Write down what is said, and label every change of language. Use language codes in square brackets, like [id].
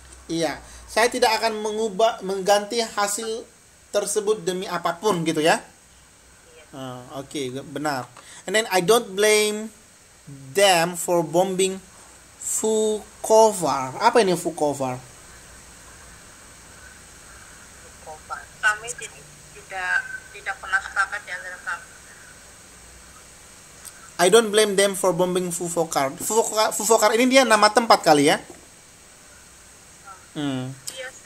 [id] Iya, saya tidak akan mengganti hasil tersebut demi apapun gitu ya. Oke, okay, benar. [en] And then I don't blame them for bombing Vukovar. [id] Apa ini Vukovar? Kami tidak pernah sepakat di antara kami. [en] I don't blame them for bombing Vukovar. [id] Vukovar ini dia nama tempat kali ya. Iya,